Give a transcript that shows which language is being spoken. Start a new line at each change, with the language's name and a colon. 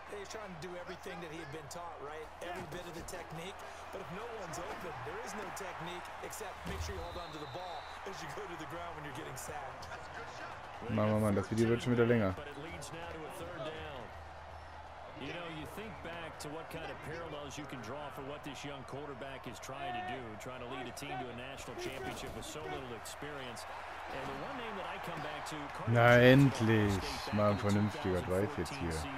English: Trying to do everything that he had been taught, right? Every bit of the technique. But if no one's open, there is no technique except make sure you hold on to the ball as you go to the ground when you're getting sacked.
German: Mann, Mann, Mann, das Video wird schon wieder länger.
English: You know, you think back to what kind of parallels you can draw for what this young quarterback is trying to do, trying to lead a team to a national championship with so little experience. And the one name that I come back to,
German: na endlich, mal ein vernünftiger Drive jetzt hier.